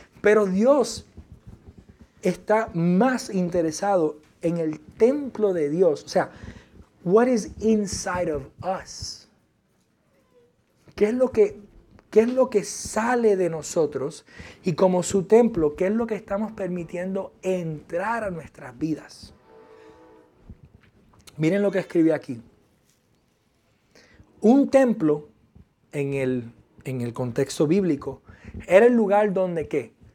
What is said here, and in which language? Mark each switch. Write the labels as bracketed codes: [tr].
[es] Pero Dios está más interesado en el templo de Dios. O sea, [en] what is inside of us? [es] ¿Qué es lo que sale de nosotros? Y como su templo, ¿qué es lo que estamos permitiendo entrar a nuestras vidas? Miren lo que escribí aquí. Un templo, en el contexto bíblico, era el lugar donde ¿qué?